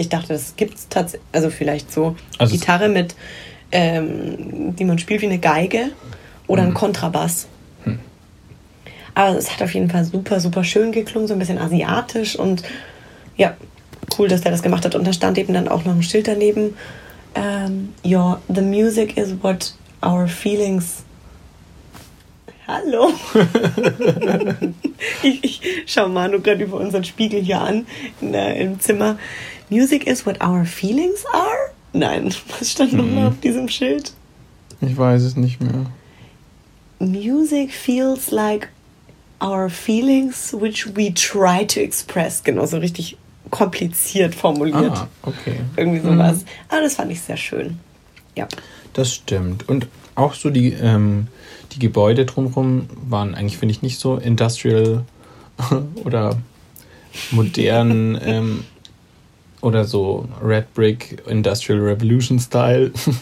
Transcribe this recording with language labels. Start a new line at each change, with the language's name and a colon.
German: Ich dachte, das gibt's tatsächlich, also vielleicht so also Gitarre mit, die man spielt wie eine Geige oder ein Kontrabass. Aber es hat auf jeden Fall super, super schön geklungen, so ein bisschen asiatisch und ja, cool, dass der das gemacht hat. Und da stand eben dann auch noch ein Schild daneben.
English: The music is what our feelings...
German: Hallo. ich schaue Manu gerade über unseren Spiegel hier an im Zimmer.
English: Music is what our feelings are?
German: Nein, was stand nochmal auf diesem Schild? Ich weiß es nicht mehr.
English: Music feels like our feelings which we try to express.
German: Genau, so richtig kompliziert formuliert. Ah, okay. Irgendwie sowas. Aber das fand ich sehr schön. Ja. Das stimmt. Und auch so die Gebäude drumherum waren eigentlich, finde ich, nicht so industrial oder modern oder so
English: Red Brick Industrial Revolution Style.